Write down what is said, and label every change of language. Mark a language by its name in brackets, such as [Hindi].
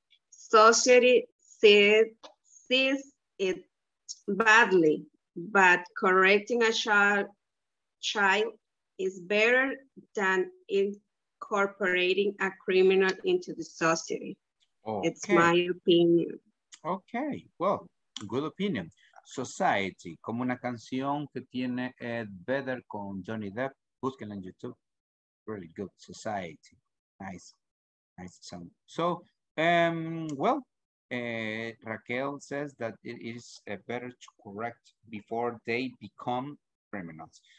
[English] Society sees it badly, but correcting a child is better than incorporating a criminal into the society. Okay. It's my opinion. Okay, well, good opinion. [Spanish] Society, como una canción que tiene Ed Vedder con Johnny Depp, búsquenla en YouTube. [English] Really good, Society. Nice, nice song. So, well, Raquel says that it is better to correct before they become criminals.